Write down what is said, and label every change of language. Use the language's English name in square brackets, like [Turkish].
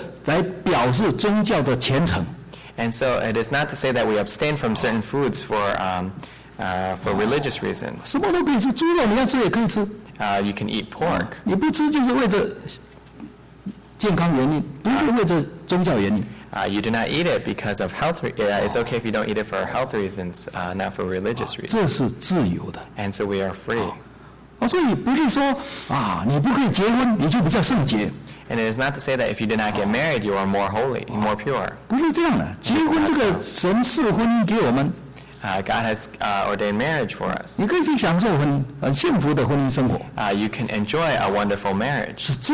[Chinese] 所以不是借着我们吃这个不吃那个来表示宗教的虔诚。 [English] And so it is not to say that we abstain from certain foods for religious reasons. [Chinese] 什么都可以吃，猪肉你要吃也可以吃。 [English] You can eat pork. [Chinese] 你不吃就是为着健康原因，不是为着宗教原因。 [English] You do not eat it because of health reasons. It's okay if you don't eat it for health reasons, not for religious reasons. [Chinese] 这是自由的。 [English] And so we are free. [Chinese] 所以不是说你不可以结婚，你就比较圣洁。 [English] And it is not to say that if you do not get married, you are more holy, more pure. [Chinese] 不是这样的，结婚这个神赐婚姻给我们。 [English] God has ordained marriage for us. [Chinese] 你可以去享受很幸福的婚姻生活。 [English] You can enjoy a wonderful marriage.